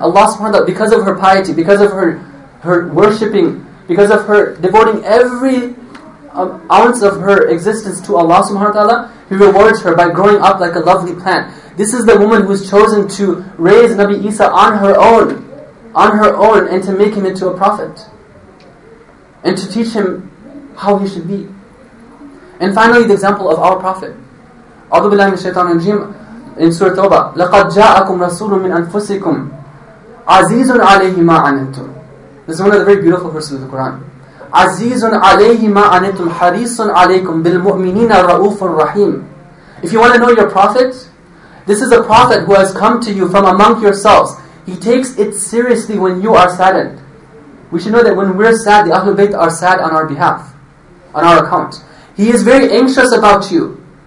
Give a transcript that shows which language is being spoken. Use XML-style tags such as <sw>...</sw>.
<en>Allah subhanahu wa ta'ala, because of her piety, because of her worshipping, because of her devoting every ounce of her existence to Allah subhanahu wa ta'ala, He rewards her by growing up like a lovely plant. This is the woman who is chosen to raise Nabi Isa on her own, and to make him into a prophet, and to teach him how he should be. And finally, the example of our Prophet.</en> <ar>أَعُوذُ بِاللَّهِ مِنَ الشَّيْطَانِ الرَّجِيمِ.</ar> <en>In Surah Tawbah,</en> <ar>لَقَدْ جَاءَكُمْ رَسُولٌ مِّنْ أَنفُسِكُمْ عَزِيزٌ عَلَيْهِ مَا عَنِتُمْ.</ar> <en>This is one of the very beautiful verses of the Quran.</en> <ar>عَزِيزٌ عَلَيْهِ مَا عَنِتُمْ حَرِيصٌ عَلَيْكُمْ بِالْمُؤْمِنِينَ الرَّؤُوفٌ رَحِيمٌ.</ar> <en>If you want to know your Prophet, this is a Prophet who has come to you from among yourselves. He takes it seriously when you are saddened. We should know that when we're sad, the Ahlul Bayt are sad on our behalf, on our account. He is very anxious about you.</en>